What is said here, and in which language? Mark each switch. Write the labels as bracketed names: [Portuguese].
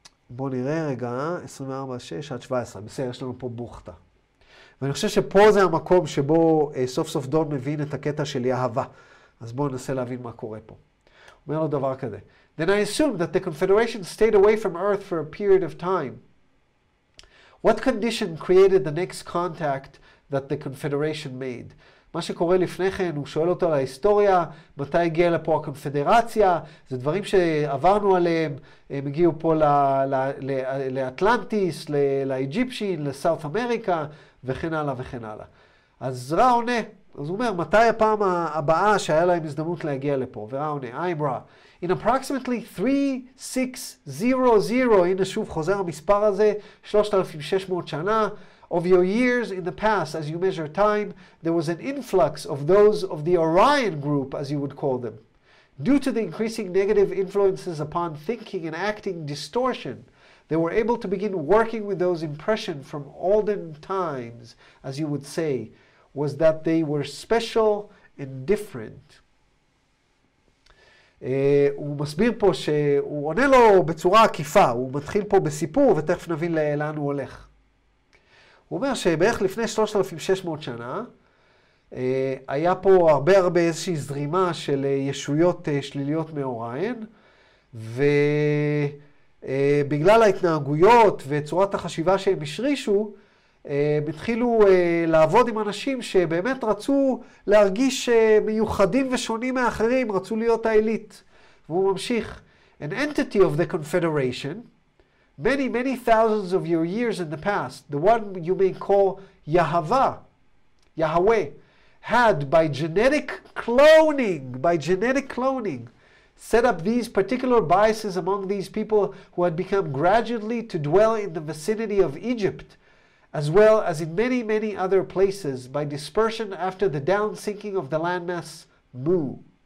[Hebrew] בואו נראה רגע, 24, 6 עד 17, בסדר, יש לנו פה בוכתה. ואני חושב שפה זה המקום שבו סוף סוף דון מבין את הקטע של יהבה. אז בואו ננסה להבין מה קורה פה. אומר לו דבר כזה. [English] Then I assumed that the Confederation stayed away from Earth for a period of time. What condition created the next contact that the Confederation made? [Hebrew] מה שקורה לפני כן, הוא שואל אותו על ההיסטוריה, מתי הגיעה לפה הקונפדרציה, זה דברים שעברנו עליהם, הם הגיעו פה לאטלנטיס, לאיג'יפשין, לסאוף אמריקה, וכן הלאה וכן הלאה. אז רע עונה, אז הוא אומר, מתי הפעם הבאה שהיה להם הזדמנות להגיע לפה? ורע עונה, [English] I'm raw. In approximately 3600, [Hebrew] הנה שוב חוזר המספר הזה, 3600 שנה, [English] of your years in the past, as you measure time, there was an influx of those of the Orion group, as you would call them. Due to the increasing negative influences upon thinking and acting distortion, they were able to begin working with those impressions from olden times, as you would say, was that they were special and different. [Hebrew] הוא מסביר פה שהוא עונה לו בצורה עקיפה, הוא מתחיל פה בסיפור ותכף נבין לאן הוא הולך. הוא אומר שבערך לפני 3600 שנה היה פה הרבה הרבה איזושהי זרימה של ישויות שליליות מאוריין, ובגלל ההתנהגויות וצורת החשיבה שהם השרישו, התחילו לעבוד עם אנשים שבאמת רצו להרגיש מיוחדים ושונים מאחרים, רצו להיות האליט. והוא ממשיך. [English] An entity of the confederation, many, many thousands of your years in the past, the one you may call Yahava, Yahweh, had by genetic cloning, set up these particular biases among these people who had become gradually to dwell in the vicinity of Egypt, as well as in many, many other places, by dispersion after the down-sinking of the landmass Mu.